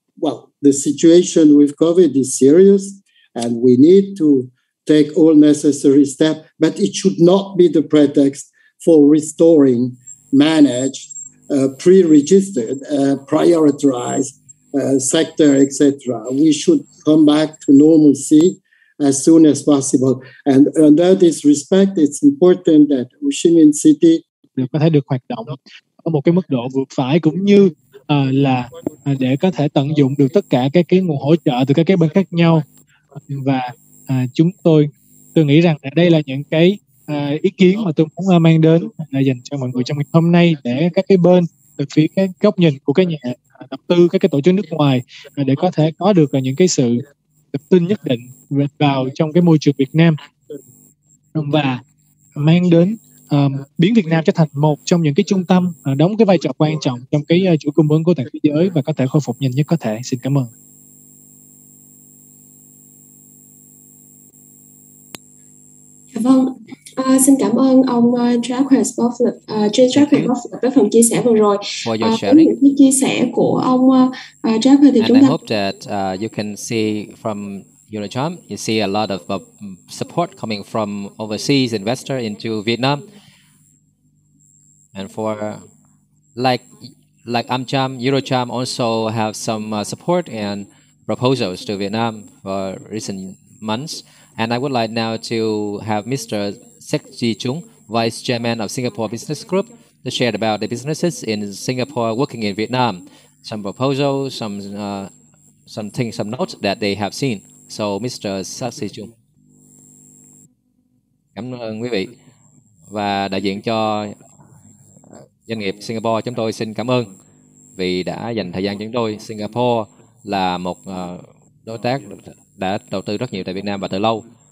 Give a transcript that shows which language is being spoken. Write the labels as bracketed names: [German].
[English] Well, the situation with COVID is serious, and we need to take all necessary steps, but it should not be the pretext for restoring managed, pre-registered, prioritized sector, etc. We should come back to normalcy as soon as possible. And under this respect, it's important that Ho Chi Minh City [Vietnamese] có thể được hoạt động ở một cái mức độ vừa phải, cũng như là để có thể tận dụng được tất cả các cái nguồn hỗ trợ từ các cái bên khác nhau. Và chúng tôi nghĩ rằng đây là những cái ý kiến mà tôi muốn mang đến dành cho mọi người trong ngày hôm nay, để các cái bên từ phía cái góc nhìn của các nhà đầu tư, các cái tổ chức nước ngoài để có thể có được những cái sự tự tin nhất định vào trong cái môi trường Việt Nam và mang đến biến Việt Nam trở thành một trong những cái trung tâm đóng cái vai trò quan trọng trong cái chuỗi cung ứng của toàn thế giới và có thể khôi phục nhanh nhất có thể. Xin cảm ơn. Vâng, xin cảm ơn ông Jacques Boffler, với phần chia sẻ vừa rồi. Với những cái chia sẻ của ông Jacques thì [English] and [Vietnamese] chúng ta. [English] And I hope that you can see from Unicharm, you see a lot of support coming from overseas investor into Vietnam. And for like Amcham, Unicharm also have some support and proposals to Vietnam for recent months. And I would like now to have Mr. Sek Chi Chung, Vice Chairman of Singapore Business Group, to share about the businesses in Singapore working in Vietnam, some proposals, some notes that they have seen. So, Mr. Sek Chi Chung. [Vietnamese] Cảm ơn quý vị và đại diện cho doanh nghiệp Singapore, chúng tôi xin cảm ơn vì đã dành thời gian cho chúng tôi. Singapore là một đối tác đã đầu tư rất nhiều tại Việt Nam và từ lâu.